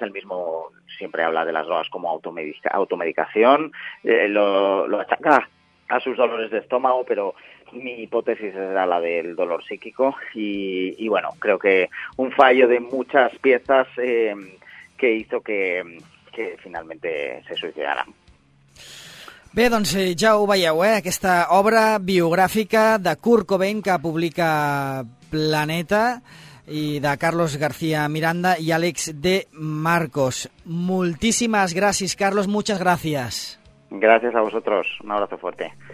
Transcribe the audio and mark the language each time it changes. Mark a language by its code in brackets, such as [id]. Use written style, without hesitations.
[es] Él mismo siempre habla de las drogas como automedicación, lo achaca a sus dolores de estómago, pero mi hipótesis era la del dolor psíquico, y bueno, creo que un fallo de muchas piezas que hizo que que finalmente se suïcidaran. [ca] Bé, doncs ja ho veieu, eh? Aquesta obra biogràfica de Kurt Cobain que publica Planeta i de Carlos García Miranda i Àlex de Marcos. Moltíssimes gràcies, Carlos, [es] muchas gracias. Gracias a vosotros, un abrazo fuerte.